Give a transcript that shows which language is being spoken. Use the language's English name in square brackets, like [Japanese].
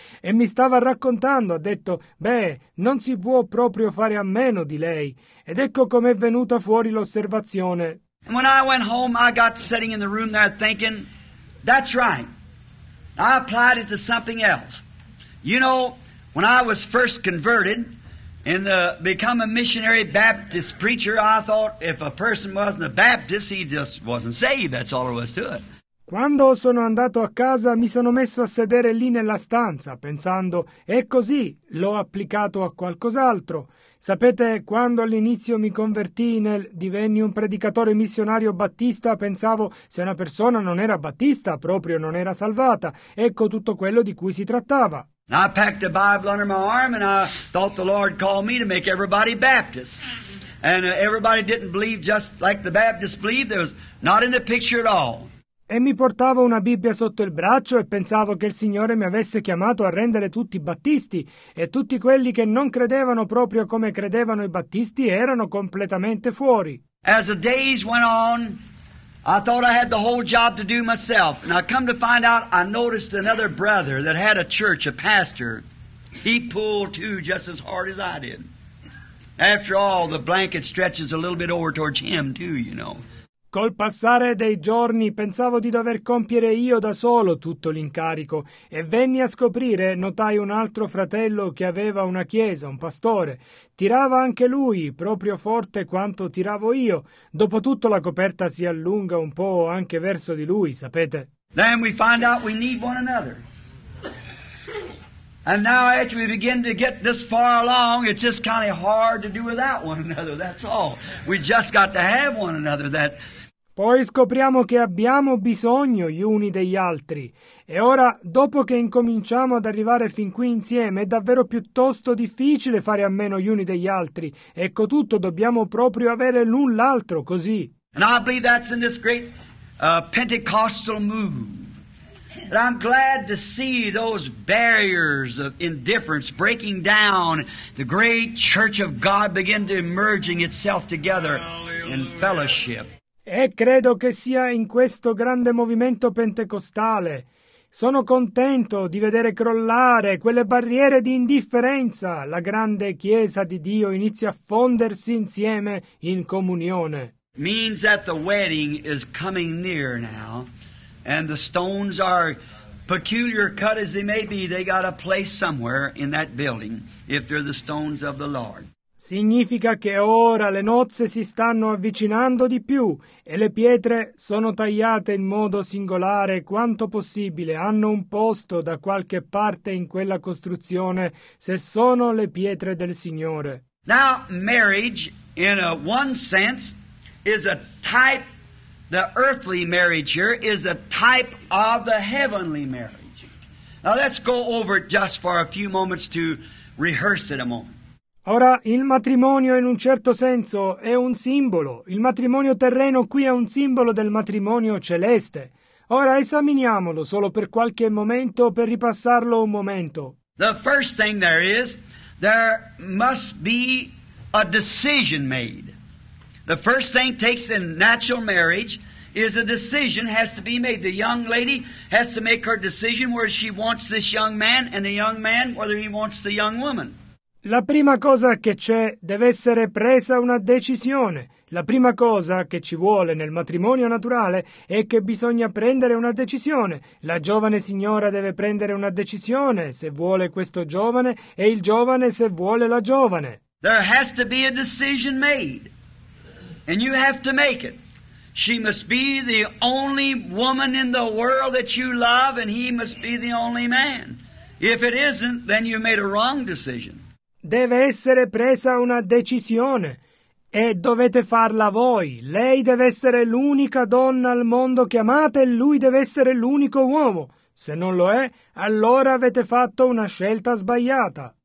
[Italian] E mi stava raccontando, ha detto, beh, non si può proprio fare a meno di lei. Ed ecco com'è venuta fuori l'osservazione. [English] And when I went home, I got sitting in the room there thinking, that's right. I applied it to something else. You know, when I was first converted and become a missionary Baptist preacher, I thought if a person wasn't a Baptist, he just wasn't saved. That's all there was to it. [Italian] Quando sono andato a casa, mi sono messo a sedere lì nella stanza, pensando, è così, l'ho applicato a qualcos'altro. Sapete, quando all'inizio mi convertì divenni un predicatore missionario battista, pensavo, se una persona non era battista, proprio non era salvata. Ecco tutto quello di cui si trattava. [English] I packed a Bible under my arm and I thought the Lord called me to make everybody Baptist. And everybody didn't believe just like the Baptists believe, there was not in the picture at all. [Italian] e mi portavo una Bibbia sotto il braccio e pensavo che il Signore mi avesse chiamato a rendere tutti i battisti e tutti quelli che non credevano proprio come credevano i battisti erano completamente fuori. [English] As the days went on, I thought I had the whole job to do myself. And I come to find out, I noticed another brother that had a church, a pastor. He pulled too just as hard as I did. After all, the blanket stretches a little bit over towards him too, you know. [Italian] Col passare dei giorni pensavo di dover compiere io da solo tutto l'incarico e venni a scoprire, notai un altro fratello che aveva una chiesa, un pastore. Tirava anche lui, proprio forte quanto tiravo io. Dopotutto la coperta si allunga un po' anche verso di lui, sapete? [English] Then we find out we need one another. And now as we begin to get this far along, it's just kind of hard to do without one another, that's all. We just got to have one another. That. [Italian] Poi scopriamo che abbiamo bisogno gli uni degli altri. E ora, dopo che incominciamo ad arrivare fin qui insieme, è davvero piuttosto difficile fare a meno gli uni degli altri. Ecco tutto, dobbiamo proprio avere l'un l'altro, così. [English] And I believe that's in this great Pentecostal move. And I'm glad to see those barriers of indifference breaking down, the great church of God begin to emerging itself together. Hallelujah. In fellowship. [Italian] E credo che sia in questo grande movimento pentecostale. Sono contento di vedere crollare quelle barriere di indifferenza. La grande chiesa di Dio inizia a fondersi insieme in comunione. [English] Means that the wedding is coming near now. And the stones are peculiar cut as they may be, they got a place somewhere in that building if they're the stones of the Lord. [Italian] Significa che ora le nozze si stanno avvicinando di più e le pietre sono tagliate in modo singolare quanto possibile, hanno un posto da qualche parte in quella costruzione se sono le pietre del Signore. [English] Now marriage in a one sense is a type. The earthly marriage here is a type of the heavenly marriage. Now let's go over it just for a few moments to rehearse it a moment. [Italian] Ora, il matrimonio in un certo senso è un simbolo. Il matrimonio terreno qui è un simbolo del matrimonio celeste. Ora esaminiamolo solo per qualche momento, per ripassarlo un momento. [English] The first thing there is, there must be a decision made. The first thing takes in natural marriage is a decision has to be made. The young lady has to make her decision whether she wants this young man and the young man whether he wants the young woman. [Italian] La prima cosa che c'è deve essere presa una decisione. La prima cosa che ci vuole nel matrimonio naturale è che bisogna prendere una decisione. La giovane signora deve prendere una decisione se vuole questo giovane e il giovane se vuole la giovane. [English] There has to be a decision made. And you have to make it. She must be the only woman in the world that you love, and he must be the only man. If it isn't, then you made a wrong decision. [Italian] Deve essere presa una decisione, e dovete farla voi. Lei deve essere l'unica donna al mondo che amate, e lui deve essere l'unico uomo. Se non lo è, allora avete fatto una scelta sbagliata.